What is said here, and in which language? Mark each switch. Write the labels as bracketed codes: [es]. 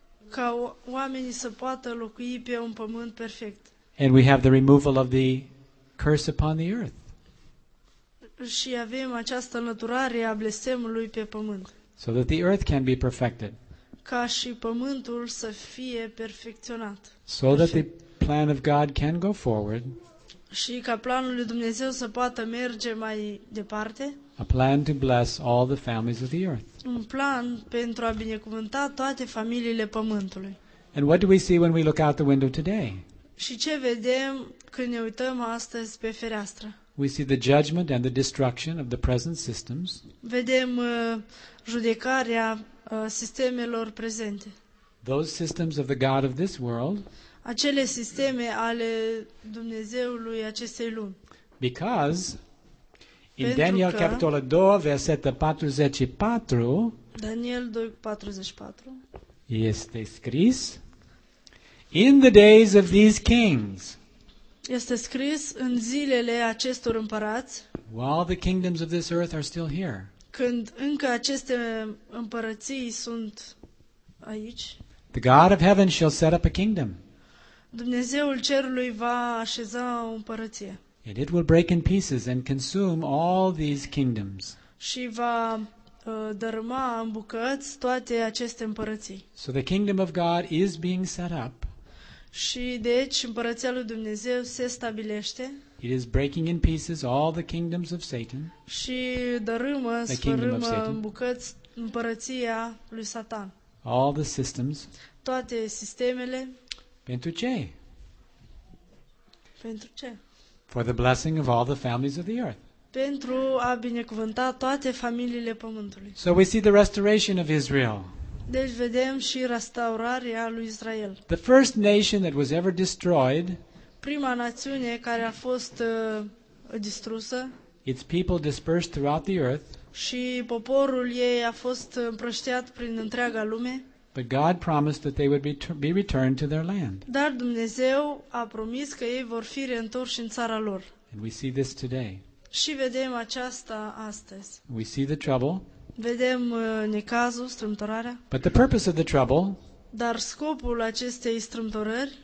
[ro] Ca oamenii să poată locui pe un pământ perfect. [en] And we have the removal of the curse upon the earth. [ro] Și avem această înlăturare a blestemului pe pământ. [en] So that the earth can be perfected. [ro] Ca și pământul să fie perfecționat. [en] So that the plan of God can go forward. [ro] Și ca planul lui Dumnezeu să poată merge mai departe. [en] A plan to bless all the families of the earth. [ro] Un plan pentru a binecuvânta toate familiile pământului. [en] And what do we see when we look out the window today? [ro] Și ce vedem când ne uităm astăzi pe fereastră? [en] We see the judgment and the destruction of the present systems. [ro] Vedem judecarea sistemelor prezente. [en] Those systems of the God of this world. [ro] Acele sisteme ale Dumnezeului acestei lumi. [en] Because in Daniel [ro] capitolul 2, versetul 44, Daniel 2:44, este scris: [en] In the days of these kings. [ro] Este scris în zilele acestor împărați. [en] While the kingdoms of this earth are still here. [ro] Când încă aceste împărății sunt aici. [en] The God of heaven shall set up a kingdom. [ro] Dumnezeul cerului va așeza o împărăție. [en] And it will break in pieces and consume all these kingdoms. [ro] Și va dărâma în bucăți toate aceste împărății. [en] So the kingdom of God is being set up. [ro] Și deci împărăția lui Dumnezeu se stabilește. [en] It is breaking in pieces all the kingdoms of Satan. [ro] Și dărâmă, sfărâmă în bucăți împărăția lui Satan. [en] All the systems. [ro] Toate sistemele. Pentru ce? Pentru ce? [en] For the blessing of all the families of the earth. [ro] Pentru a binecuvânta toate familiile pământului. [en] So we see the restoration of Israel. [ro] Deci vedem și restaurarea lui Israel. [en] The first nation that was ever destroyed. [ro] Prima națiune care a fost distrusă. [en] Its people dispersed throughout the earth. [ro] Și poporul ei a fost împrăștiat prin întreaga lume. [en] But God promised that they would be returned to their land. [ro] Dar Dumnezeu a promis că ei vor fi reîntorși în țara lor. [en] And we see this today. [ro] Și vedem aceasta astăzi. [en] We see the trouble. [ro] Vedem necazul, strâmtorarea. [en] But the purpose of the trouble. [ro] Dar scopul acestei strâmtorări.